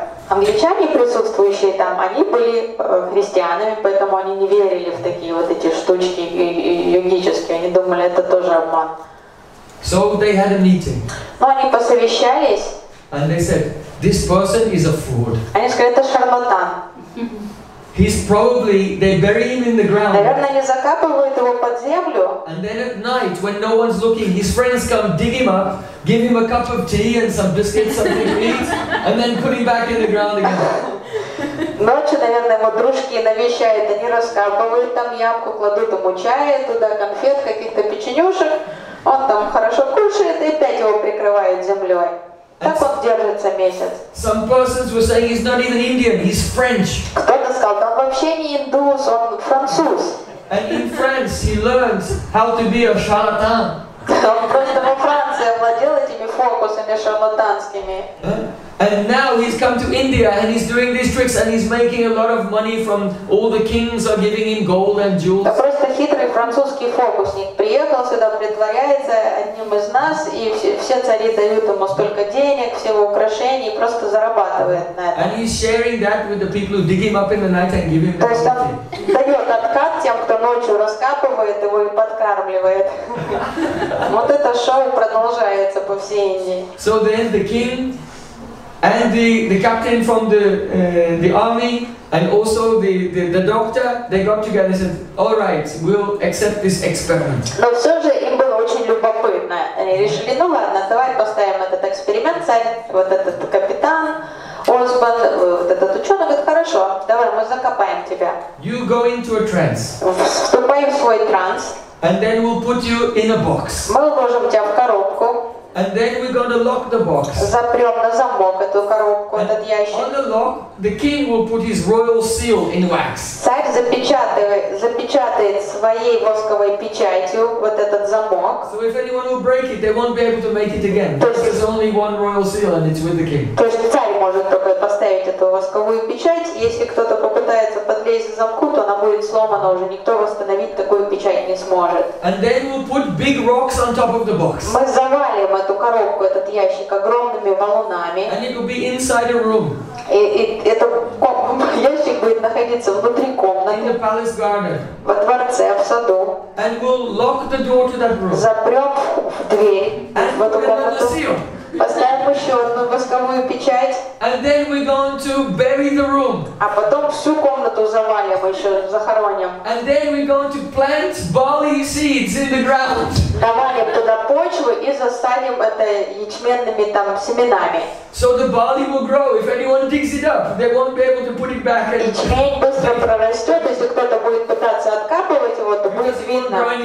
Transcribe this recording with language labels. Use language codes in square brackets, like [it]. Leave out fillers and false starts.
[ru] Англичане, присутствующие там, они были христианами, поэтому они не верили в такие вот эти штучки йогические. Они думали, это тоже обман. [en] So they had a meeting. [ru] Но они посовещались. [en] And they said, "This person is a fraud." [ru] Они сказали, это шарлатан. [en] He's probably, they bury him in the ground. [ru] Наверное, они закапывают его под землю. [en] And then at night, when no one's looking, his friends come dig him up, give him a cup of tea and some biscuits, something to eat, and then put him back in the ground again. [ru] Ночью, наверное, его дружки навещают, они раскапывают там ямку, кладут ему чая туда, конфет, каких-то печенюшек. Он там хорошо кушает и опять его прикрывают землей. Так он держится месяц. [en] Some persons were saying he's not even Indian, he's French. [ru] Кто-то сказал, он вообще не индус, он француз. [en] And in France he learns how to be a charlatan. [ru] Он просто фокусами шарлатанскими. [en] And now he's come to India and he's doing these tricks and he's making a lot of money from all the kings are giving him gold and jewels. [ru] Это просто хитрый французский фокусник. Приехал сюда, притворяется одним из нас, и все цари дают ему столько денег, все его украшения, и просто зарабатывает на этом. [en] And he's sharing that with the people who dig him up in the night and give him the gold. [ru] Дает откат тем, кто ночью раскапывает его и подкармливает. Вот это шоу продолжается по всей Индии. [en] So then the king and the captain from the army and also the doctor, they got together and said, all right, we'll accept this experiment. [ru] Но все же им было очень любопытно. Они решили, ну ладно, давай поставим этот эксперимент, вот этот капитан, Осман, вот этот ученый говорит, хорошо, давай мы закопаем тебя. [en] You go into a trance. [ru] Вступаем в свой транс. [en] And then we'll put you in a box. [ru] Мы уложим тебя в коробку. [en] And then we're going to lock the box. [ru] Запрём на замок эту коробку, [en] and [ru] этот ящик. [en] On the lock, the king will put his royal seal in wax. [ru] Царь запечатает своей восковой печатью вот этот замок. [en] So if anyone will break it, they won't be able to make it again. Because there's only one royal seal and it's with the king. [ru] То есть царь может только поставить эту восковую печать, если кто-то попытается подлезть к замку, то она будет сломана уже, никто восстановить такую печать не сможет. [en] And then we'll put big rocks on top of the box. [ru] Мы завалим эту коробку, этот ящик огромными валунами. [en] And it will be inside a room. [ru] И это ящик будет находиться внутри комнаты. [en] In the palace garden. [ru] Во дворце, в саду. [en] And we'll lock the door to that room. [ru] Запрём дверь [en] and [ru] в эту комнату. [en] Seal. [ru] Поставим еще одну восковую печать. [en] And then we're going to bury the room. [ru] А потом всю комнату завалим, еще захороним. [en] And then we're going to plant barley seeds in the ground. [ru] Навалим туда почву и засадим это ячменными там семенами. [en] So the barley will grow. If anyone digs it up, they won't be able to put it back. [ru] And ячмень быстро прорастет, если кто-то будет пытаться откапывать его, то будет видно.